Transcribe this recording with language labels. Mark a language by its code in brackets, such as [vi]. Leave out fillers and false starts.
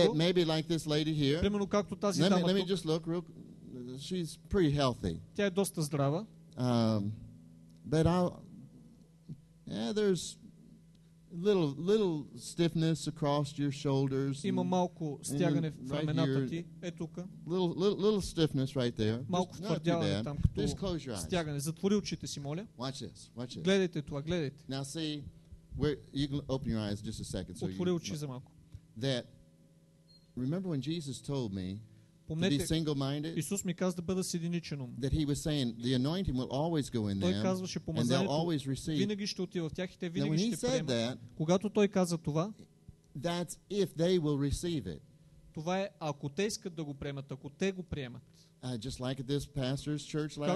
[en] that maybe like this lady here, [bg] примерно както тази [en] let [bg] дама [en] me, [bg] тук, [en] let me just look real. She's pretty healthy. [bg] Тя е доста здрава. [en] But I'll, yeah, there's little stiffness across your shoulders. [bg] Има малко стягане в рамената ти. Е тука. [en] Little stiffness right there. [bg] Малко втвърдяване там като. [en] Just close your eyes. [bg] Стягане. Затвори очите си, моля. [en] Watch this. Watch this. [bg] Гледайте това, гледайте. [en] Now see, where you can open your eyes just a second. [bg] Отвори очи за малко. [en] That remember when Jesus told me. [bg] Помнете, [en] to be single-minded. [bg] Исус ми каза да бъда с единичен ум. [en] That he was saying the anointing will always go in them. [bg] Той казваше помазанието винаги ще отива в тях и те винаги ще приемат. Когато той каза това, [en] that's if they will receive it. [bg] Това е ако те искат да го приемат, ако те го приемат. [en] Just like at this pastor's church last night.